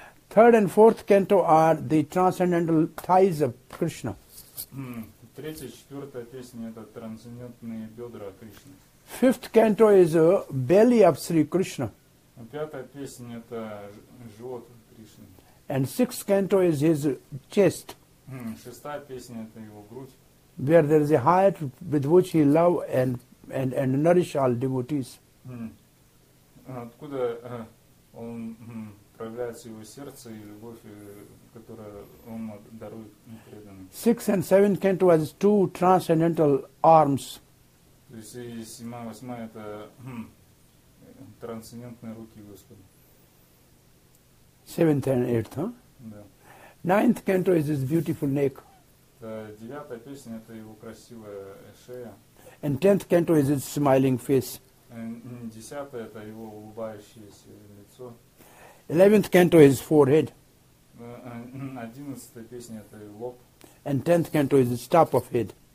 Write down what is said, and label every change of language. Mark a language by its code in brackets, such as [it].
[en] Third and fourth canto are the transcendental thighs of Krishna. [ru] Третья, четвертая песня – это трансцендентные бедра Кришны. [en] Fifth canto is a belly of Sri Krishna. [ru] Пятая песня – это живот Кришны. [en] And sixth canto is his chest. [ru] Шестая песня – это его грудь. [en] Where there is a heart with which he love and nourish all devotees. [ru] Откуда он проявляется его сердце и любовь, которую он дарует преданным. [en] Sixth and seventh canto has two transcendental arms. [ru] То есть и седьмая, восьмая это трансцендентные руки Господа. [en] Seventh and eighth, [ru] Да. [en] Ninth canto is his beautiful neck. [ru] Девятая песня это его красивая шея. [en] And tenth canto is his smiling face. [ru] Десятая это его улыбающееся лицо. [en] 11th canto is forehead. [ru] 11th песня это лоб. [en] And 10th canto is the top of head.